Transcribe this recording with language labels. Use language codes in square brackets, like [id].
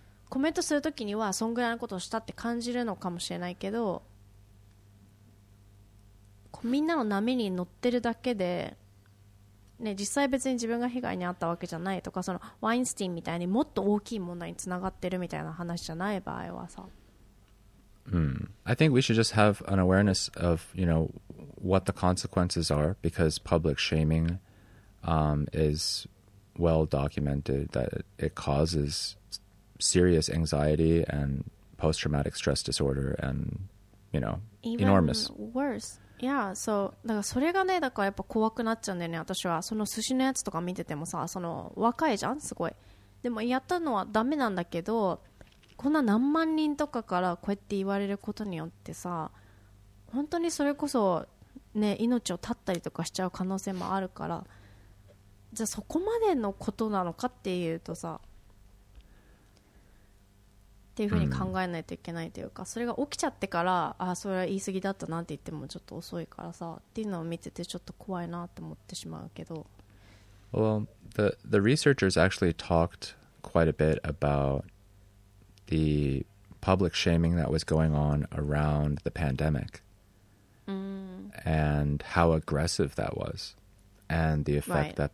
[ja] コメントするときにはそんぐらいのことをしたって感じるのかもしれないけど、みんなの波に乗ってるだけで、ね、実際別に自分が被害に遭ったわけじゃないとか、そのワインスティンみたいにもっと大きい問題につながってるみたいな話じゃない場合はさ、 [en] I think we should just have an awareness of, you know, what the consequences are, because public shaming, is well documented that it causes serious anxiety and post-traumatic stress disorder and, you know, enormous. Even worse. Yeah, so, [ja] だからそれがね、だからやっぱ怖くなっちゃうんだよね、私は。その寿司のやつとか見ててもさ、その若いじゃん、すごい。でもやったのはダメなんだけど、こんな何万人とかからこうやって言われることによってさ、本当にそれこそね、命を絶ったりとかしちゃう可能性もあるから、じゃあそこまでのことなのかっていうとさ、っていうふうに考えないといけないというか、それが起きちゃってから、あ、それは言い過ぎだったなって言ってもちょっと遅いからさ、っていうのを見ててちょっと怖いなって思ってしまうけど。 [en] Well, the researchers actually talked quite a bit aboutthe public shaming that was going on around the pandemic、and how aggressive that was and the effect、right.